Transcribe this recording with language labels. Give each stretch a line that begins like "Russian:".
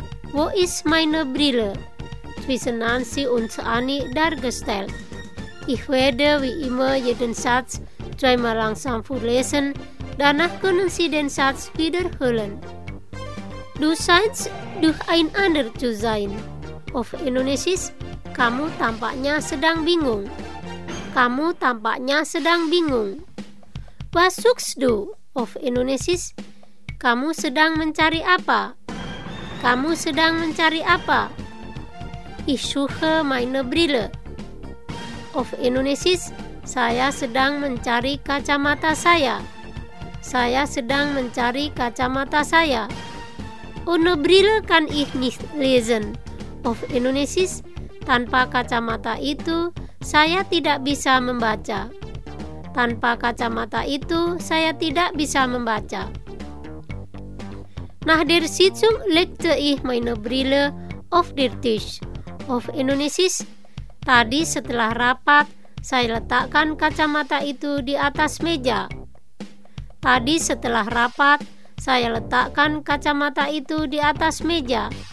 German: Wo ist meine Brille? Zwischen Nancy und Annie dargestellt. Ich werde wie immer jeden Satz zweimal langsam vorlesen, danach können Sie den Satz wiederholen. Du scheinst durch ein Ander zu sein. Auf Indonesisch,
Indonesian: kamu tampaknya sedang bingung. Kamu tampaknya sedang bingung.
German: Was suchst du? Auf Indonesisch,
Indonesian: kamu sedang mencari apa? Kamu sedang mencari apa?
German: Ich suche meine Brille. Auf Indonesisch,
Indonesian: saya sedang mencari kacamata saya. Saya sedang mencari kacamata saya.
German: Ohne Brille kann ich nicht lesen. Auf Indonesisch,
Indonesian: tanpa kacamata itu saya tidak bisa membaca. Tanpa kacamata itu saya tidak bisa membaca.
German: Nach der Sitzung legte ich meine Brille auf den Tisch. Auf Indonesisch,
Indonesian: tadi setelah rapat, saya letakkan kacamata itu di atas meja. Tadi setelah rapat, saya letakkan kacamata itu di atas meja.